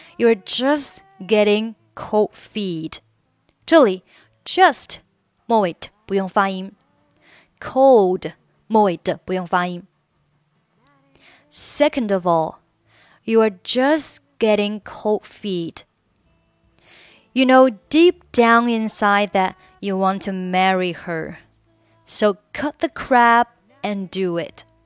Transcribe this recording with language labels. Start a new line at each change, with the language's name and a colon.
English: you're just getting cold feet.
Chinese: 这里 just 末尾不用发音，
English: cold
Chinese: 末尾不用发音。
English: Second of all, you're just getting cold feet. You know deep down inside that you want to marry her. So cut the crap and do it.